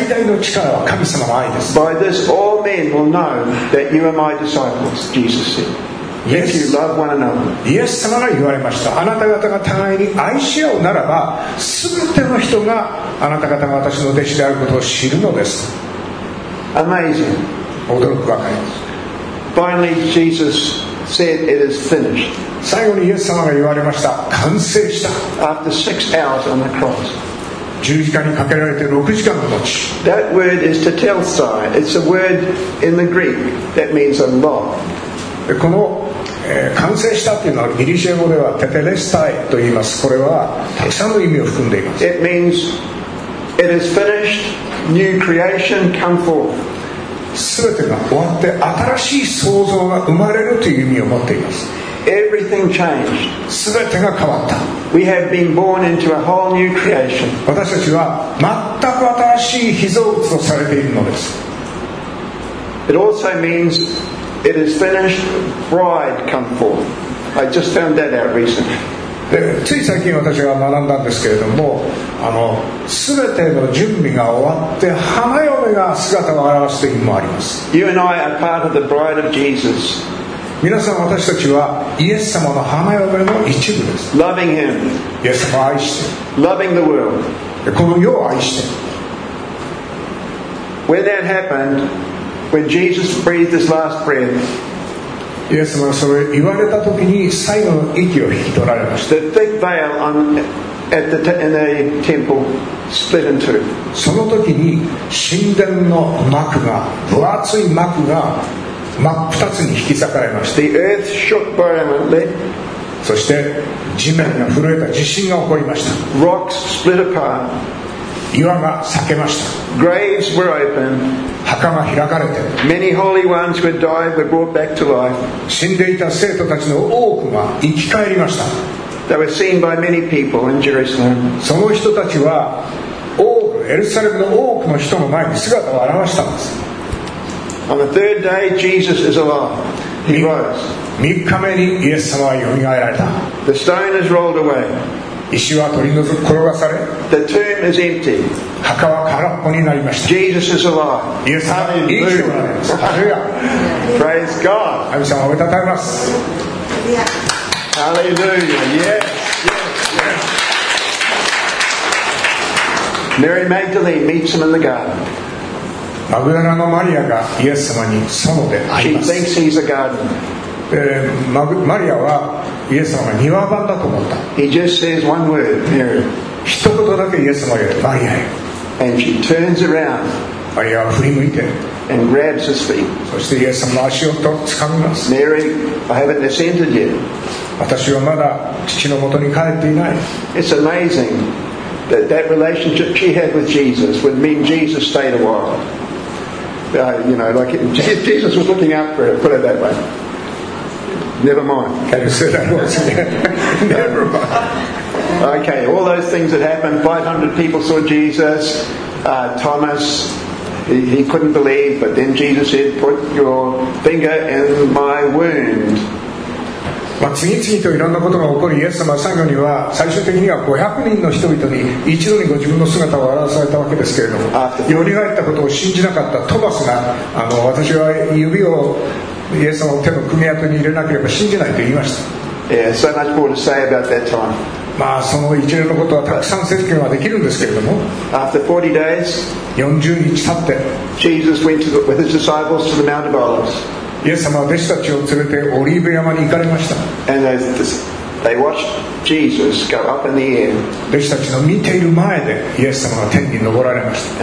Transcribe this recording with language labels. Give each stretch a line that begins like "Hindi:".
English: By this, all men will know that you are my disciples, Jesus said. Yes. If you love one another.
Japanese: イエス様が言われました。あなた方が互いに愛し合うならば、すべての人があなた方が私の弟子であることを知るのです。
English: Amazing.
Japanese: 驚くばかりです。
English: Finally, Jesus said, "It is finished."
Japanese: 最後にイエス様が言われました。完成した。
English: After 6 hours on the cross.
Japanese: 十字架にかけられて6時間の後。
English: That word is tetelestai. It's a word in the Greek that means a lot.
Japanese: この、完成したというのはギリシャ語ではテテレスタイと言います。これはたくさんの意味を含んでいます。
English: It means it is finished, new creation come forth.
Japanese: 全てが終わって新しい創造が生まれるという意味を持っています。
English: Everything changed.
Japanese: 全てが変わった。
English: We have been born into a whole new creation.
Japanese: 私たちは全く新しい被造物とされているのです。
English: It also meansIt is finished, bride come forth. I just found that out recently.
Japanese: つい最近私が学んだんですけれども、全ての準備が終わって花嫁が姿を現すという意味もあります。
English: You and I are part of the bride of Jesus.
Japanese: 皆さん私たちはイエス様の花嫁の一部です。
English: Loving him.
Japanese: イエス様を愛して。
English: Loving the world.
Japanese: この世を愛して。
English: When that happened,When Jesus breathed his last breath,
Japanese: イエス様がそれ言われた時に最後の息を引き取られました。
English: The thick veil on, at the, in the temple split in two.
Japanese: その時に神殿の幕が、分厚い幕が真っ二つに引き裂かれました。
English: The earth shook violently.
Japanese: そして地面が震えた地震が起こりました。
English: Rocks split apart.
Japanese: 岩が裂けました。
English: Graves were open.
Japanese: 墓が開かれて。
English: Many holy ones who had died were brought back to life.
Japanese: 死んでいた生徒たちの多くが生き返りました。
English: They were seen by many people in Jerusalem.
Japanese: その人たちは多くエルサレムの多くの人の前に姿を現したんです。
English: On the third day, Jesus is alive. He rose.
Japanese: 3日目にイエス様はよみがえられた。
English: The stone is rolled away.
Japanese: 石は取り除く転がされ
English: The tomb is empty.
Japanese: 墓は空っぽになりました
English: Jesus is alive.
Japanese: イエス様は生きておられますハレルヤ
English: Praise God
Japanese: 神様をおめでとうございます
English: Hallelujah Yes Mary Magdalene meets him in the garden
Japanese: マグダラのマリアがイエス様に園で会います
English: She thinks he's a garden
Japanese: マリアはイエス様が庭番だと思った。
English: He just says one word, Mary.
Japanese: 一言だけイエス様が言う、マリアへ。
English: And she turns around.
Japanese: マリアは振り向いて。
English: And grabs his feet.
Japanese: そしてイエス様の足をとつかみます。
English: Mary, I haven't ascended yet.
Japanese: 私はまだ父のもとに帰っていない。
English: It's amazing that that relationship she had with Jesus would mean Jesus stayed a while. You know, like it, Jesus was looking out for her, put it that way. Never mind. Can you say that once again? Never mind. Okay, all those things that happened. 500 people saw Jesus. Thomas, he couldn't believe, but then Jesus said, put your finger in my wound.
Japanese: まあ、次々といろんなことが起こるイエス様最後には最終的には500人の人々に一度にご自分の姿を現されたわけですけれども、よみがえったことを信じなかったトマスが、私は指をイエス様の手の組み跡に入れなければ信じないと言いました。
English: Yeah, so much more to say about that time.
Japanese: まあその一連のことはたくさん説明はできるんですけれども。
English: After 40 days,
Japanese: 40日経って、
English: Jesus went with his disciples to the Mount of Olives.
Japanese: イエス様は弟子たちを連れてオリーブ山に行かれました。
English: And they watched Jesus go up in the air.
Japanese: 弟子たちの見ている前でイエス様は天に昇られました。